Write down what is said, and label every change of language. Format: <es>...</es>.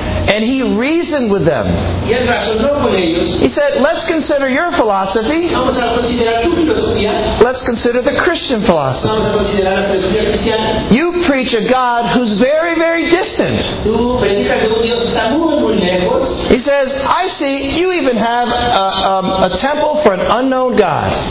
<en>And he reasoned with them. He said, let's consider your philosophy.</en> <es>Vamos a considerar tu filosofía.</es> <en>Let's consider the Christian philosophy.</en> <es>Vamos a considerar la filosofía cristiana.</es> <en>You preach a God who's very, very distant.</en> <es>Tú predicas de un Dios que está muy, muy lejos.</es> <en>He says, I see you even have a temple for an unknown God.</en>